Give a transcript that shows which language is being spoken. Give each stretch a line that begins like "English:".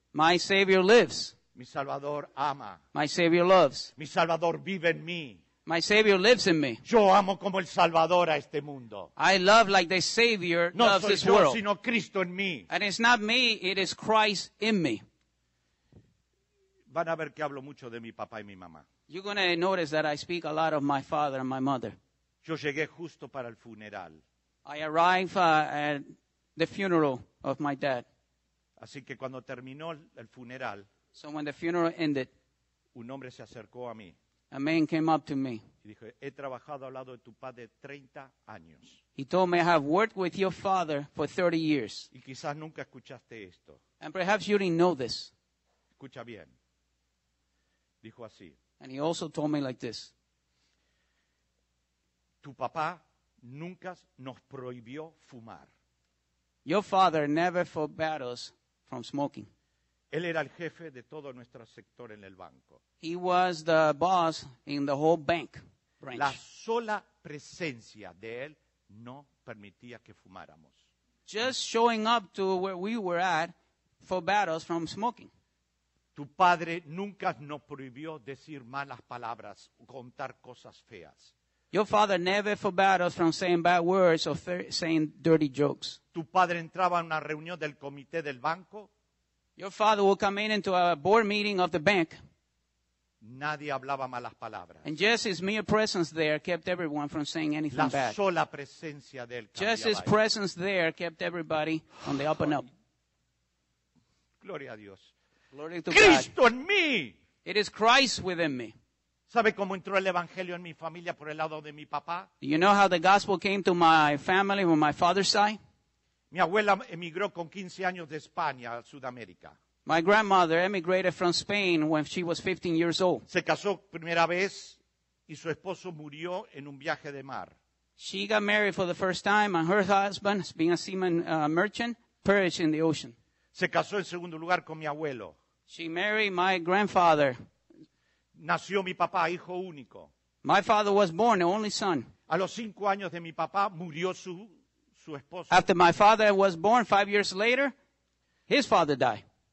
English: My Savior lives.
Spanish: Mi Salvador ama.
English: My Savior loves.
Spanish: Mi Salvador vive en mí.
English: My Savior lives in me.
Spanish: Yo amo como el Salvador a este mundo.
English: I love like the Savior
Spanish: no
English: loves this
Spanish: yo,
English: world.
Spanish: Sino Cristo en mí.
English: And it's not me, it is Christ in me.
Spanish: Van a ver que hablo mucho de mi papá y mi mamá.
English: You're going to notice that I speak a lot of my father and my mother.
Spanish: Yo llegué justo para el funeral.
English: I arrived at the funeral of my dad.
Spanish: Así que cuando terminó el funeral,
English: so when the funeral ended,
Spanish: un hombre se acercó a mí.
English: A man came up to me.
Spanish: Y dijo, he trabajado al lado de tu padre 30 años.
English: He told me, I have worked with your father for 30 years.
Spanish: Y quizás nunca escuchaste esto.
English: And perhaps you didn't know this.
Spanish: Escucha bien. Dijo así.
English: And he also told me like this.
Spanish: Tu papá nunca nos prohibió fumar.
English: Your father never forbade us from smoking.
Spanish: Él era el jefe de todo nuestro sector en el banco.
English: He was the boss in the whole bank branch.
Spanish: La sola presencia de él no permitía que fumáramos.
English: Just showing up to where we were at forbade us from smoking.
Spanish: Tu padre nunca nos prohibió decir malas palabras, contar cosas feas.
English: Your father never forbade us from saying bad words or saying dirty jokes.
Spanish: Tu padre entraba en una reunión del comité del banco.
English: Your father would come in into a board meeting of the bank.
Spanish: Nadie hablaba malas palabras.
English: And just his mere presence there kept everyone from saying anything bad.
Spanish: La sola presencia de él
English: just his presence there kept everybody on the up and up.
Spanish: Gloria a Dios.
English: Glory to
Spanish: Cristo
English: God.
Spanish: En mí.
English: It is Christ within me.
Spanish: ¿Sabe cómo entró el evangelio en mi familia por el lado de mi papá?
English: Do you know how the gospel came to my family on my father's side?
Spanish: Mi abuela emigró con 15 años de España a Sudamérica.
English: My grandmother emigrated from Spain when she was 15 years old.
Spanish: Se casó primera vez y su esposo murió en un viaje de mar.
English: She got married for the first time and her husband, being a seaman merchant, perished in the ocean.
Spanish: Se casó en segundo lugar con mi abuelo.
English: She married my grandfather.
Spanish: Nació mi papá, hijo único.
English: My father was born, the only son.
Spanish: A los 5 años de mi papá murió su
English: After my father was born, 5 years later, his father died.